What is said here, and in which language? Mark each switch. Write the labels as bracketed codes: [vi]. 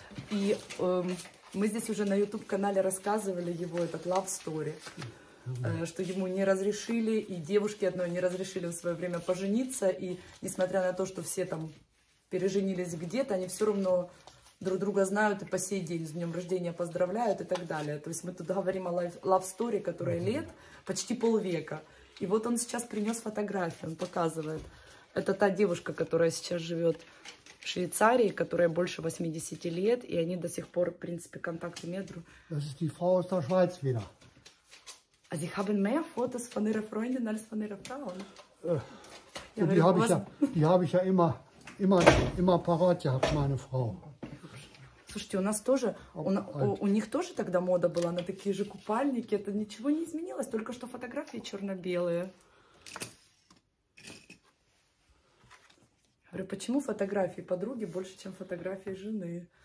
[ru] И мы здесь уже на YouTube-канале рассказывали его этот love story, что ему не разрешили, и девушке одной не разрешили в свое время пожениться, и несмотря на то, что все там переженились где-то, они все равно друг друга знают и по сей день с днем рождения поздравляют и так далее. То есть мы тут говорим о love story, которая лет почти полвека. И вот он сейчас принес фотографию, он показывает. Это та девушка, которая сейчас живет в Швейцарии, которая больше 80 лет, и они до сих пор, в принципе, контакт имеют друг. [de] Das ist die Frau aus der Schweiz wieder. А sie haben mehr Fotos von ihrer Freundin als von ihrer Frau. Die habe ich ja immer parat gehabt, meine Frau. [ru] Слушайте, у нас тоже, у них тоже тогда мода была на такие же купальники. Это ничего не изменилось, только что фотографии черно-белые. Говорю, почему фотографии подруги больше, чем фотографии жены?